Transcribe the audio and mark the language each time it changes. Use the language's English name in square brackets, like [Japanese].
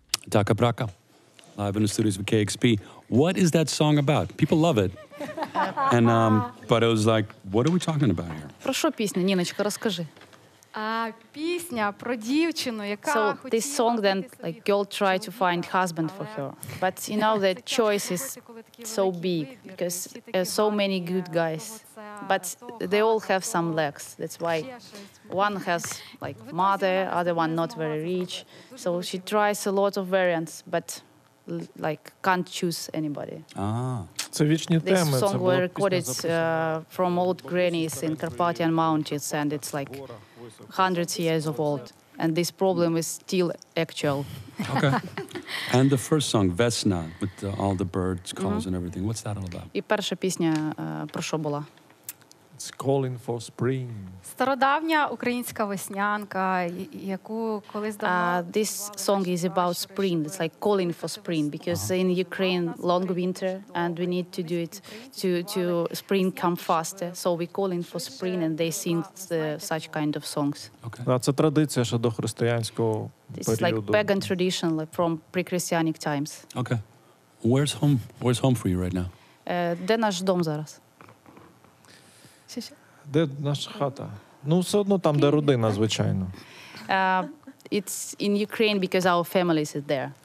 [English] Taka Braka, live in the studios with KXP. What is that song about? People love it. And but it was like, what are we talking about here? [Ukrainian] Про що пісня, Ніночка, розкажи. А пісня про дівчину, яка хотіла. [English] So this song then like girl try to find husband for her. But you know the choice is so big because so many good guys. But they all have some lacks. That's why one has like mother, other one not very rich. So she tries a lot of variants, but like can't choose anybody. [Ukrainian] Це вічні теми. [English] This song was recorded from old grannies in Carpathian mountains, and it's like hundreds of years of old. And this problem is still actual. Okay. And the first song, Vesna, with all the birds, calls and everything. What's that all about? [Ukrainian] І перша пісня про що була? [English] It's calling for spring. [Ukrainian] Стародавня українська веснянка, яку колись давно. [English] This song is about spring. It's like calling for spring because in Ukraine long winter and we need to do it to spring come faster. So we calling for spring and they sing such kind of songs. Okay. [Ukrainian] Це традиція ще до християнського періоду. [English] It's like pagan tradition like from pre-Christianic times. Okay. Where's home? Where's home for you right now? [Ukrainian] Де наш дом зараз? Де наша хата? Ну, все одно там, де родина, звичайно. [English] It's in Ukraine because our family is there.